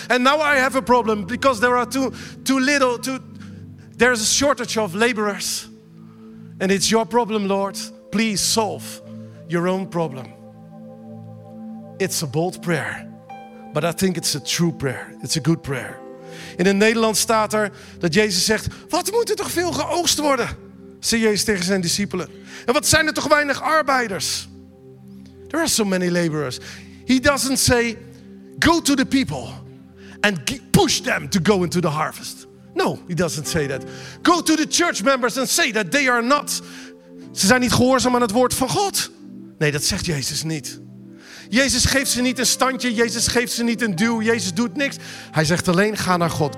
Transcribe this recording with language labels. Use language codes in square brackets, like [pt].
[en] And now I have a problem because there are there's a shortage of laborers. And it's your problem, Lord. Please solve your own problem. It's a bold prayer, but I think it's a true prayer. It's a good prayer. [nl] In het Nederlands staat er dat Jezus zegt, wat moet er toch veel geoogst worden? Zegt Jezus tegen zijn discipelen. En wat zijn er toch weinig arbeiders? [en] There are so many laborers. He doesn't say, go to the people and push them to go into the harvest. No, he doesn't say that. Go to the church members and say that they are not. [nl] Ze zijn niet gehoorzaam aan het woord van God. Nee, dat zegt Jezus niet. Jezus geeft ze niet een standje. Jezus geeft ze niet een duw. Jezus doet niks. Hij zegt alleen, ga naar God.